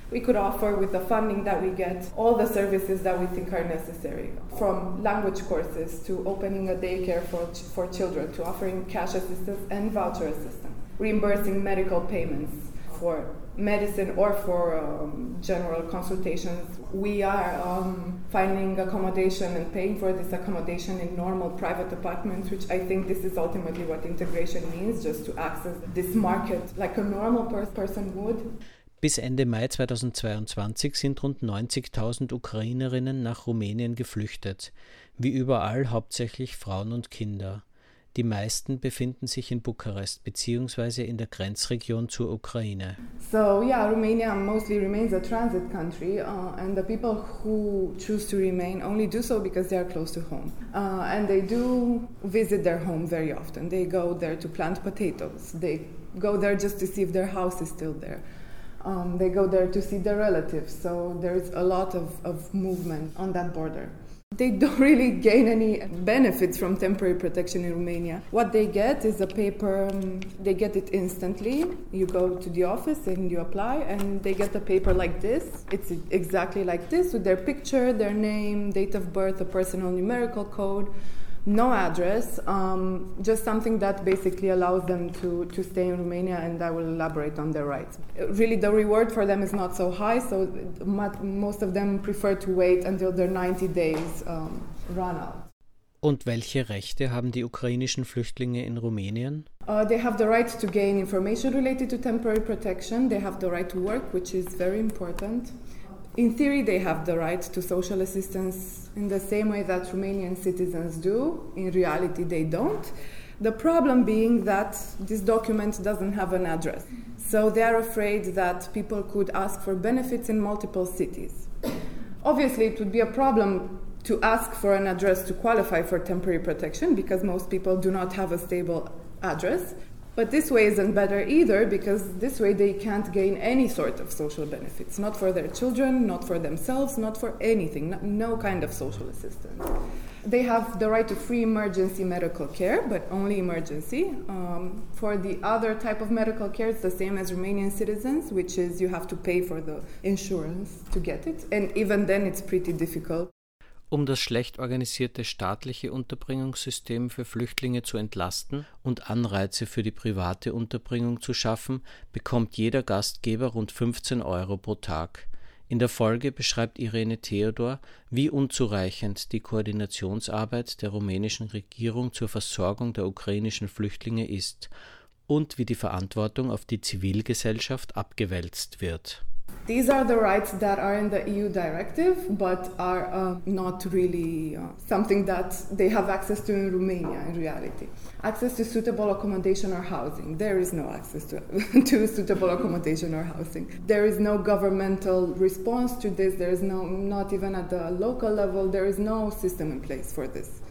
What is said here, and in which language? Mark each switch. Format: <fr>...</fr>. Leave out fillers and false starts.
<en>We could offer, with the funding that we get, all the services that we think are necessary, from language courses to opening a daycare for children, to offering cash assistance and voucher assistance, reimbursing medical payments for medicine or for general consultations. We are finding accommodation and paying for this accommodation in normal private apartments, which I think this is ultimately what integration means, just to access this market like a normal person would.</en> <de>Bis Ende Mai 2022 sind rund 90.000 Ukrainerinnen nach Rumänien geflüchtet, wie überall hauptsächlich Frauen und Kinder. Die meisten befinden sich in Bukarest bzw. in der Grenzregion zur Ukraine.</de> <en>So yeah, Romania mostly remains a transit country and the people who choose to remain only do so because they are close to home. And they do visit their home very often. They go there to plant potatoes. They go there just to see if their house is still there. They go there to see their relatives. So there is a lot of movement on that border. They don't really gain any benefits from temporary protection in Romania. What they get is a paper, they get it instantly. You go to the office and you apply and they get a paper like this. It's exactly like this with their picture, their name, date of birth, a personal numerical code, no address, just something that basically allows them to stay in Romania, and I will elaborate on their rights. Really, the reward for them is not so high, so most of them prefer to wait until their 90 days run out.</en> <de>Und welche Rechte haben die ukrainischen Flüchtlinge in Rumänien?</de> <en>They have the right to gain information related to temporary protection. They have the right to work, which is very important. In theory, they have the right to social assistance in the same way that Romanian citizens do. In reality, they don't. The problem being that this document doesn't have an address. So they are afraid that people could ask for benefits in multiple cities. Obviously, it would be a problem to ask for an address to qualify for temporary protection because most people do not have a stable address. But this way isn't better either, because this way they can't gain any sort of social benefits. Not for their children, not for themselves, not for anything. No kind of social assistance. They have the right to free emergency medical care, but only emergency. For the other type of medical care, it's the same as Romanian citizens, which is you have to pay for the insurance to get it. And even then it's pretty difficult.</en> <de>Um das schlecht organisierte staatliche Unterbringungssystem für Flüchtlinge zu entlasten und Anreize für die private Unterbringung zu schaffen, bekommt jeder Gastgeber rund 15 Euro pro Tag. In der Folge beschreibt Irene Theodor, wie unzureichend die Koordinationsarbeit der rumänischen Regierung zur Versorgung der ukrainischen Flüchtlinge ist und wie die Verantwortung auf die Zivilgesellschaft abgewälzt wird.</de> <en>These are the rights that are in the EU directive, but are not really something that they have access to in Romania in reality. Access to suitable accommodation or housing. There is no access to suitable accommodation or housing. There is no governmental response to this. There is not even at the local level, there is no system in place for this.</en>